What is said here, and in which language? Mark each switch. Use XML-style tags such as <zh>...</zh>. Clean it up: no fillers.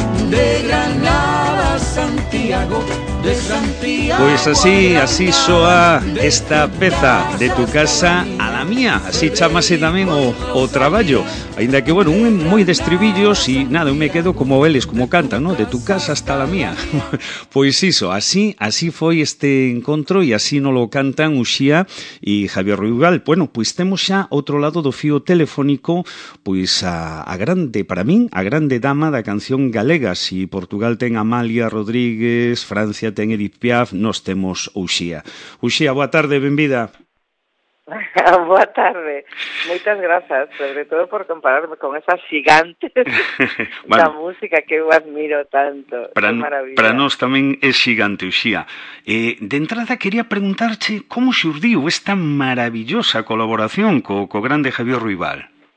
<es>De Granada a Santiago, de Santiago.</es> <gl>Pues así, así soa esta pieza,</gl> <es>de tu casa a la mía,</es> <gl>así chamase también o traballo, ainda que bueno, un moi de estribillos e nada, eu me quedo como eles, como cantan, ¿no?</gl> <es>De tu casa hasta la mía.</es> <gl>Pois iso, así, así foi este encontro e así no lo cantan Uxía e Javier Ruibal. Bueno, pois temos xa outro lado do fío telefónico, pois a grande, para min, a grande dama da canción galega. Si Portugal ten Amália Rodríguez, Francia ten Edith Piaf, nos temos Uxía. Uxía, boa tarde, benvida. Boa tarde, moitas grazas, sobre todo por compararme con esas xigantes bueno, da música que eu admiro tanto. Para nós tamén é xigante, Uxía. De entrada, quería preguntarche como xurdiu esta maravillosa colaboración co grande Javier Ruibal.</gl>